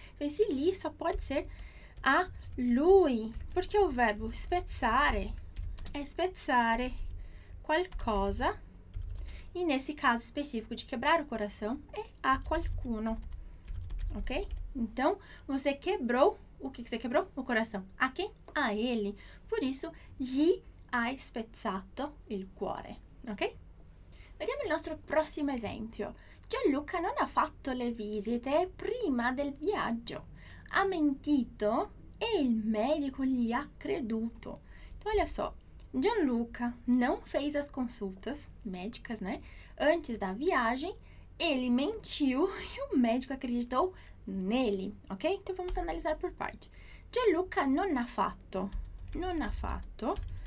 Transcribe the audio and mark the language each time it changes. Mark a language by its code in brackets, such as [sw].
[pt] Então, esse li só pode ser [it] a lui, [pt] porque o verbo spezzare é [it] spezzare qualcosa, [pt] e nesse caso específico de quebrar o coração é [it] a qualcuno, [pt] ok? Então, você quebrou, o que que você quebrou? O coração. A quem? A ele. Por isso, gli hai spezzato il cuore, ok? [it] Vediamo il nostro prossimo esempio. Gianluca non ha fatto le visite prima del viaggio. Ha mentito e il medico gli ha creduto. [pt] Então, olha só, Gianluca não fez as consultas médicas, né, antes da viagem Ele mentiu e o médico acreditou nele, ok? Então vamos analisar por parte. [it] Gianluca non ha fatto.